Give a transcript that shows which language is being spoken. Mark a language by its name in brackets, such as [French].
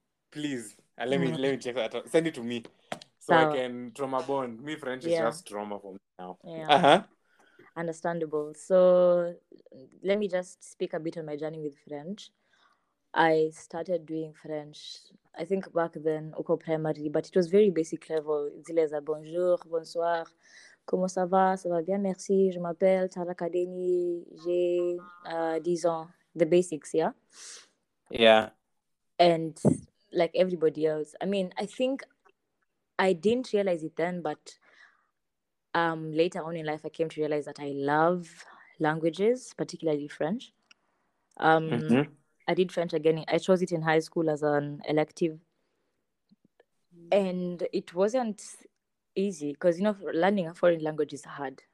[English] Please. Let me check that. Send it to me. So I can trauma bond. Me, French is just trauma for me now. Yeah. Understandable. So let me just speak a bit on my journey with French. I started doing French, I think back then, [Swahili] uko [English] primary, but it was very basic level. [Swahili] Zile za [French] bonjour, bonsoir, comment ça va bien, merci, je m'appelle Tarakadeni, j'ai 10 ans. [English] The basics, yeah? Yeah. And like everybody else. I mean, I think I didn't realize it then, but later on in life, I came to realize that I love languages, particularly French. I did French again. I chose it in high school as an elective. And it wasn't easy because, you know, learning a foreign language is hard.